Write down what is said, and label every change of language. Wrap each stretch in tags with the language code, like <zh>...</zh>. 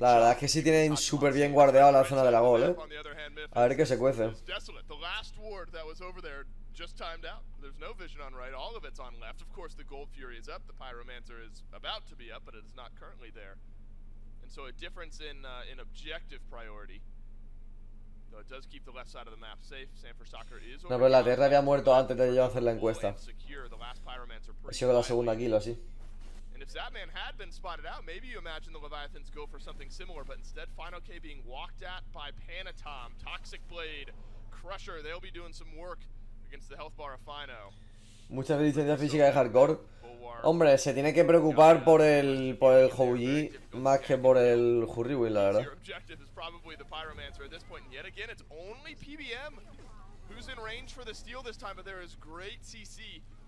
<en>job.</en> <es>La verdad es que sí tienen súper bien guardeado la zona de la gol, ¿eh? A ver qué se cuece.</es> <en>Desolate. The last ward that was over there just timed out. There's no vision on right. All of it's on left. Of course, the Gold Fury is up. The Pyromancer is about to be up, but it's not currently there. And so a difference in objective priority. Though it does keep the left side of the map safe. Sanford Soccer is over.</en> <es>No, pero la Tierra había muerto antes de yo hacer la encuesta. Ha sido la segunda kill, así.</es> <en>And if Zatman had been spotted out, maybe you imagine the Leviathans go for something similar, but instead Final K being walked at by Panatom, Toxic Blade, Crusher, they'll be doing some work against the health bar of Fino.</en> <es>Mucha resistencia física de hardcore. Hombre, se tiene que preocupar por el Houyi más que por el Hurriwil, la verdad.</es> <en>Your objective is probably the Pyromancer at this point, and yet again it's only PBM who's in range for the steal this time, but there is great CC.</en>